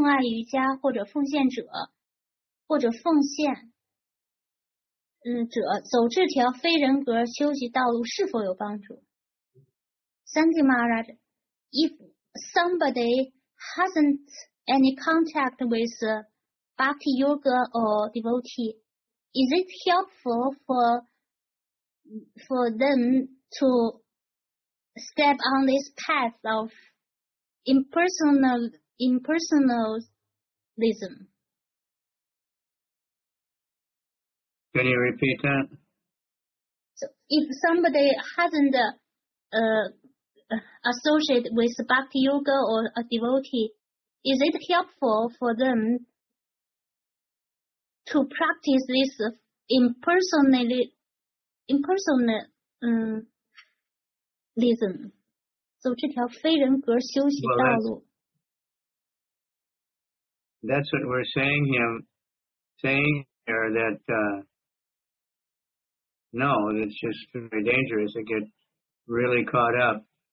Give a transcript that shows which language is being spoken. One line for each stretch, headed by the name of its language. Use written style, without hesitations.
Chinese: 如果一个人没有接触过奉爱瑜伽或者奉献者, 或者奉献者走这条非人格修习道路是否有帮助?
English: Thank you, Maharaj. If somebody hasn't any contact with Bhakti Yoga or devotee, is it helpful for them to step on this path of impersonalism? Can you repeat that? So if somebody hasn't associated with Bhakti Yoga or a devotee, is it helpful for them to practice this impersonalism.
Chinese: 走这条非人格修习道路。
English: That's what we're saying here that, no, it's just very dangerous to get really caught up.